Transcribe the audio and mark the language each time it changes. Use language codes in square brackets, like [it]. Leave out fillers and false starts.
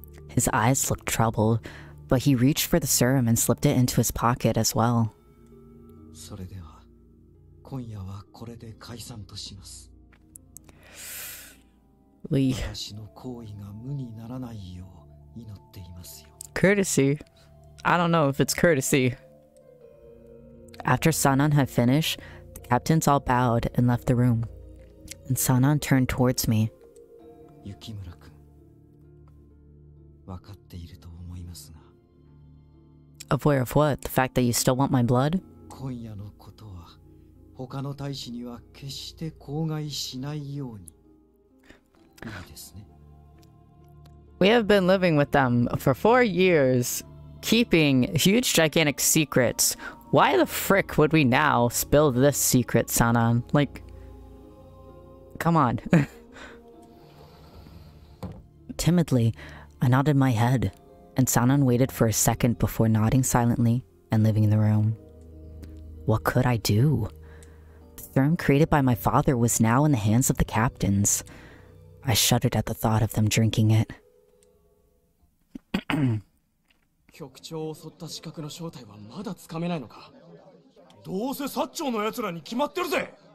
[en] His eyes looked troubled, but he reached for the serum and slipped it into his pocket as well. [ja] それでは、今夜はこれで解散とします。 [en] Lee. [ja] 私の行為が無にならないよう祈っていますよ。 [en] Courtesy? I don't know if it's courtesy. After Sanan had finished, the captains all bowed and left the room. And Sanan turned towards me. Yukimura-kun. [ja] わかっていると思いますが。 [en] Aware of what? The fact that you still want my blood? [ja] 今夜のことは、他の大使には決して口外しないように。いいですね。 [en] We have been living with them for 4 years, keeping huge gigantic secrets. Why the frick would we now spill this secret, Sanan? Like, come on. Timidly, I nodded my head, and Sanan waited for a second before nodding silently and leaving the room. What could I do? The serum created by my father was now in the hands of the captains. I shuddered at the thought of them drinking it. [ja] 局長を襲った刺客の正体はまだつかめないのか。どうせ薩長の奴らに決まってるぜ。